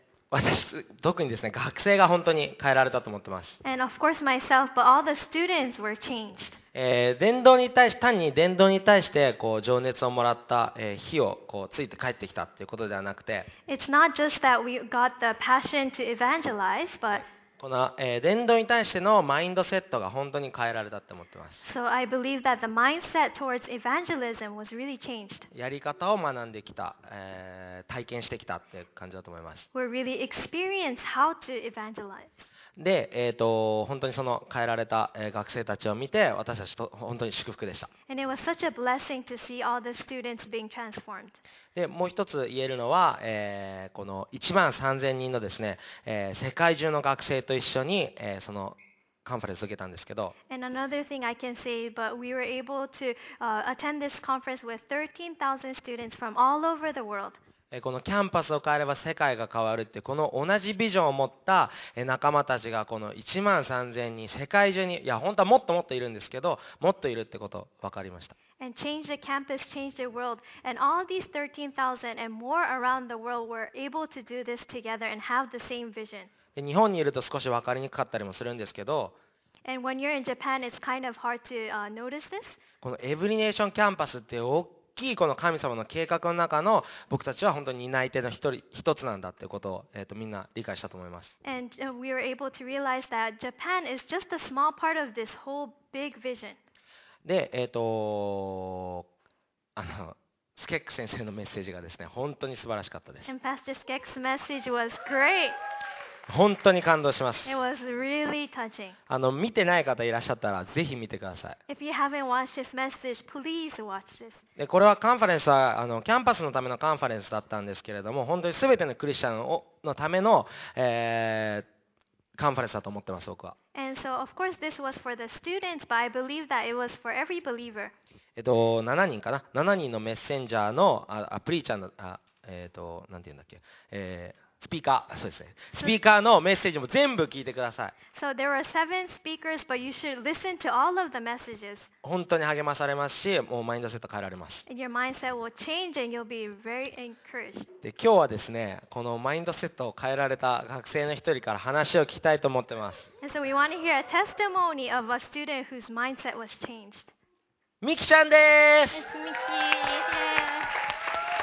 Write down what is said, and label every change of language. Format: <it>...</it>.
<ja>私特にですね、学生が本当に変えられたと思ってます。</ja> <en>And of course myself, but all the students were changed.</en> <ja>伝道に対して、単に伝道に対してこう情熱をもらった火をこうついて帰ってきたということではなくて、</ja> <en>It's not just that we got the passion to evangelize, but</en> <ja>この伝道に対してのマインドセットが本当に変えられたと思っています。</ja> <en>So I believe that the mindset towards evangelism was really changed.</en> <ja>やり方を学んできた、体験してきたって感じだと思います。</ja> <en>We really experience how to evangelize.</en> <ja>で、本当にその変えられた学生たちを見て、私たちと本当に祝福でした。</ja> <en>And it was such a blessing to see all the students being transformed.</en> <ja>でもう一つ言えるのは、この1万3000人のですね、世界中の学生と一緒に、そのカンファレンスを受けたんですけど、</ja> <en>And another thing I can say, but we were able to attend this conference with 13,000 students from all over the world.</en> <ja>このキャンパスを変えれば世界が変わるって、この同じビジョンを持った仲間たちがこの1万3000人、世界中に、いや本当はもっともっといるんですけど、もっといるってこと分かりました。</ja> <en>And change the campus, change the world. And all these 13,000 and more around the world were able to do this together and have the same vision.</en> <ja>で、日本にいると少し分かりにくかったりもするんですけど、</ja> <en>And when you're in Japan, it's kind of hard to notice this.</en> <ja>このエブリネーションキャンパスって大きいこの神様の計画の中の僕たちは本当に担い手の一つなんだということを、みんな理解したと思います。</ja> <en>And we were able to realize that Japan is just a small part of this whole big vision.</en> <ja>で、スケック先生のメッセージがですね、本当に素晴らしかったです。</ja> <en>And Pastor Skek's message was great.</en> <ja>本当に感動します。</ja> <en>It was really touching.</en> <ja>見てない方いらっしゃったら、ぜひ見てください。</ja> <en>If you haven't watched this message, please watch this.</en> <ja>で、これはカンファレンスは、キャンパスのためのカンファレンスだったんですけれども、本当に全てのクリスチャンのための、カンファレンスだと思ってます、僕は。</ja> <en>And so, of course, this was for the students, but I believe that it was for every believer.</en> <ja>7人かな ?7 人のメッセンジャーの、プリーチャーの、なんていうんだっけ、スピーカー、そうですね。スピーカーのメッセージも全部聞いてください。</ja> <en>So there were 7 speakers, but you should listen to all of the messages.</en> <ja>本当に励まされますし、もうマインドセット変えられます。</ja> <en>And your mindset will change and you'll be very encouraged.</en> <ja>で、今日はですね、このマインドセットを変えられた学生の一人から話を聞きたいと思ってます。</ja> <en>And so we want to hear a testimony of a student whose mindset was changed.</en> <ja>ミキちゃんでーす。</ja> <en>It's Miki. Yeah.</en>